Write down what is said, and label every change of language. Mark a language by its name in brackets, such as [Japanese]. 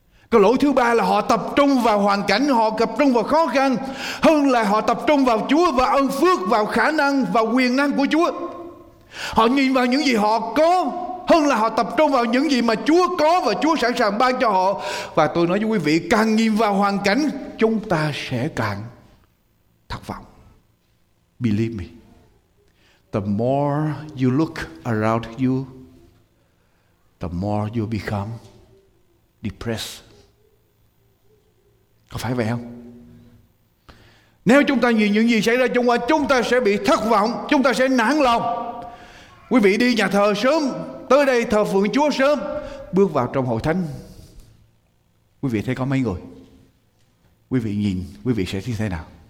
[Vietnamese] Cái lỗi thứ ba là họ tập trung vào hoàn cảnh, họ tập trung vào khó khăn hơn là họ tập trung vào Chúa và ơn phước, vào khả năng và quyền năng của Chúa. Họ nhìn vào những gì họ có hơn là họ tập trung vào những gì mà Chúa có và Chúa sẵn sàng ban cho họ. Và tôi nói với quý vị, càng nhìn vào hoàn cảnh, chúng ta sẽ càng thất vọng. [English] Believe me, the more you look around you, the more you become depressed. [Vietnamese] Có phải vậy không? Nếu chúng ta nhìn những gì xảy ra xung quanh, chúng ta sẽ bị thất vọng, chúng ta sẽ nản lòng. Quý vị đi nhà thờ sớm, tới đây thờ phượng Chúa sớm, bước vào trong hội thánh, quý vị thấy có mấy người? Quý vị nhìn, quý vị sẽ thấy thế nào?